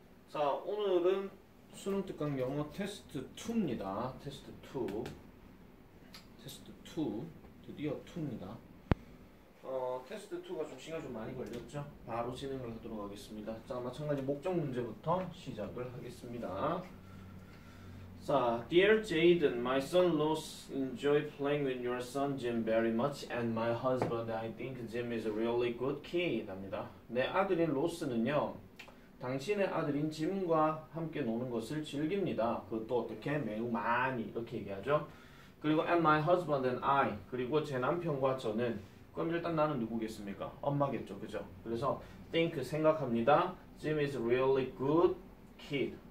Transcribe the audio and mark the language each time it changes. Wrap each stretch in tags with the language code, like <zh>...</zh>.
<ko>자, 오늘은 수능특강 영어 테스트 2입니다. 테스트 2. 테스트 2. 드디어 2입니다. 테스트 2가 좀 시간 좀 많이 걸렸죠? 바로 진행을 하도록 하겠습니다. 자, 마찬가지 목적 문제부터 시작을 하겠습니다.</ko> <en>자, Dear Jaden, my son Los enjoy playing with your son Jim very much, and my husband, I think Jim is a really good kid.</en> <ko>합니다. 내 아들인 로스는요, 당신의 아들인 짐과 함께 노는 것을 즐깁니다. 그것도 어떻게? 매우 많이. 이렇게 얘기하죠. 그리고</ko> <en>and my husband and I.</en> <ko>그리고 제 남편과 저는. 그럼 일단 나는 누구겠습니까? 엄마겠죠. 그죠? 그래서 think, 생각합니다.</ko> <en>Jim is really good kid.</en>